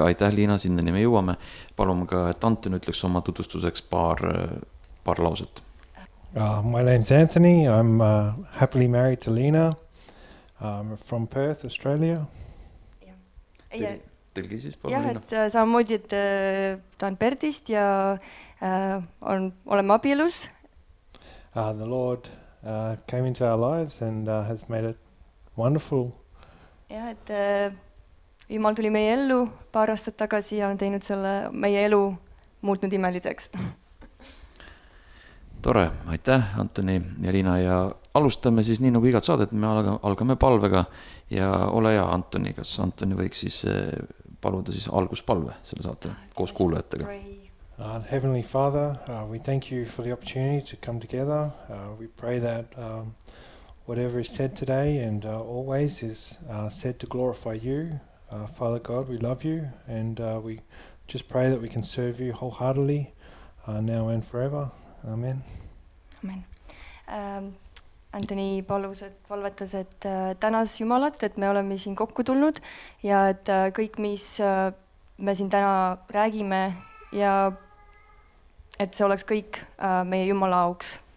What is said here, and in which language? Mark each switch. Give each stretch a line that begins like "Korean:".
Estonian: Aitäh Liina, sinne me jõuame. Palume ka, et Antoni ütleks oma tutustuseks paar lauset.
English: My name's Anthony. I'm happily married to Liina. From Perth, Australia. Yeah.
Estonian: Teil siis palju, Liina? Jah, et ta on Perthist ja oleme abielus.
English: The Lord came into our lives and has made it wonderful.
Estonian: Jah, et Jumal tuli meie ellu paar aastat tagasi ja on teinud selle meie elu muutnud imeliseks. Tore, aitäh Antoni ja Liina ja alustame siis nii nagu igat saadet, me algame palvega ja ole hea Antoni, kas Antoni võiks siis paluda siis alguspalve selle saate koos kuulajatega.
English: Heavenly Father, we thank you for the opportunity to come together. We pray that whatever is said today and always is said to glorify you. Father God, we love you and we just pray that we can serve you wholeheartedly now and forever. Amen. Amen.
Estonian: Antoni palvetas, et tänas Jumalat, et me oleme siin kokku tulnud ja et kõik, mis me siin täna räägime ja et see oleks kõik meie Jumala auks.